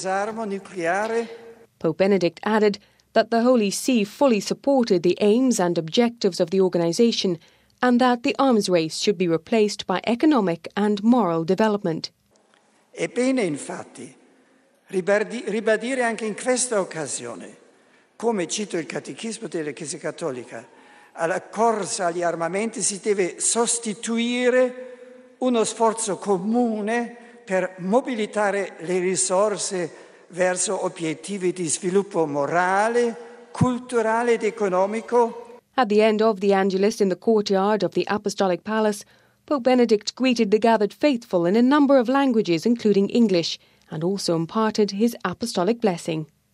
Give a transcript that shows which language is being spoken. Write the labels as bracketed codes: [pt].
[en] Pope Benedict added that the Holy See fully supported the aims and objectives of the organization and that the arms race should be replaced by economic and moral development. [it] È bene, infatti, ribadire anche in questa occasione, come cito il Catechismo della Chiesa Cattolica, alla corsa agli armamenti si deve sostituire uno sforzo comune per mobilitare le risorse verso obiettivi di sviluppo morale, culturale ed economico. [en] At the end of the Angelus in the courtyard of the Apostolic Palace, Pope Benedict greeted the gathered faithful in a number of languages, including English, and also imparted his apostolic blessing.